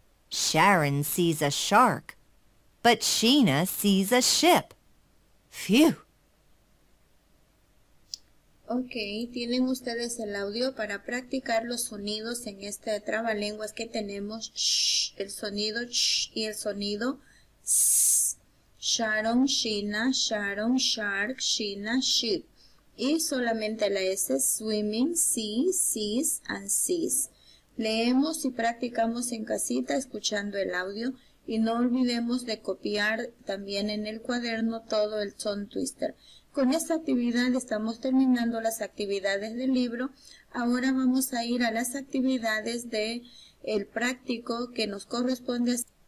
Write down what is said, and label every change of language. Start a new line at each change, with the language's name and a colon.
English: Sharon sees a shark. But Sheena sees a ship. Phew!
Spanish: Okay, tienen ustedes el audio para practicar los sonidos en este trabalenguas que tenemos. Shh, el sonido sh y el sonido s.
English: Sharon, Sheena, Sharon, shark, Sheena, ship.
Spanish: Y solamente la S,
English: swimming, sea, seas, and seas.
Spanish: Leemos y practicamos en casita escuchando el audio. Y no olvidemos de copiar también en el cuaderno todo el tongue twister. Con esta actividad estamos terminando las actividades del libro. Ahora vamos a ir a las actividades del práctico que nos corresponde hacer.